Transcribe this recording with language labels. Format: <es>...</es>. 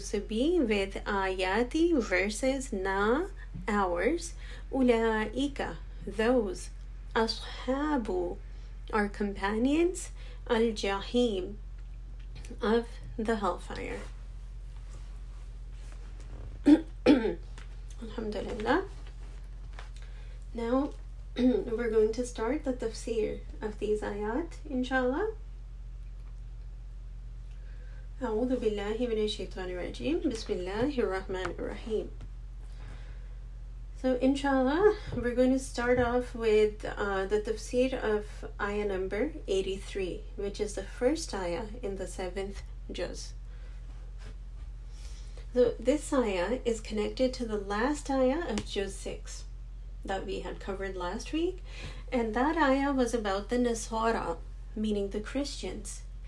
<en>So be with ayati, verses, na, ours, ulaika, those, ashabu, our companions, al-jahim, of the hellfire. Alhamdulillah. Now, we're going to start the tafsir of these ayat, inshallah.</en> <ar>أعوذ بالله من الشيطان الرجيم بسم الله الرحمن الرحيم.</ar> <en>So inshallah, we're going to start off with the tafsir of ayah number 83, which is the first ayah in the seventh juz. So this ayah is connected to the last ayah of juz 6 that we had covered last week, and that ayah was about the Nasara, meaning the Christians.</en>